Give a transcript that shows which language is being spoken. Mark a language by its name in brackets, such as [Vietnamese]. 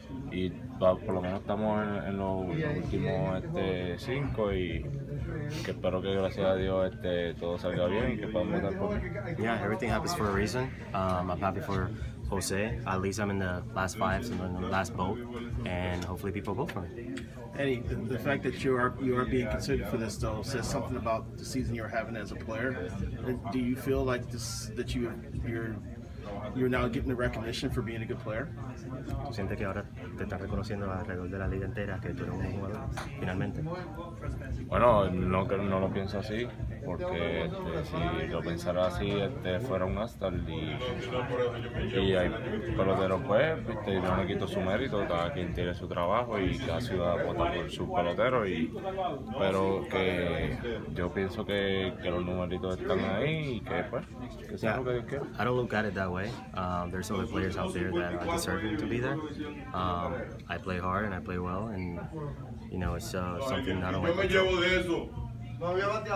[Spanish] Y por lo menos estamos en los últimos cinco y que espero que gracias a Dios todo salga bien y que podamos estar por mí. [English] Yeah, everything happens for a reason. I'm happy for Jose. At least I'm in the last five, so I'm in the last boat, and hopefully people vote for me. Eddie, the fact that you are being considered for this though says something about the season you're having as a player. Do you feel like this that you're now getting the recognition for being a good player? [Spanish] ¿Tú sientes que ahora te están reconociendo alrededor de la liga entera que tú eres un buen jugador, finalmente? Bueno, no lo pienso así, porque si lo pensara así, fuera un All-Star y hay peloteros, pues, yo no quito su mérito, cada quien tiene su trabajo y cada ciudad vota por su pelotero, pero que yo pienso que los numeritos están ahí y que, pues, que sea lo que Dios quiera. [English] I don't look at it that way. There's other players out there that are deserving to be there. I play hard and I play well, and you know, it's something not only.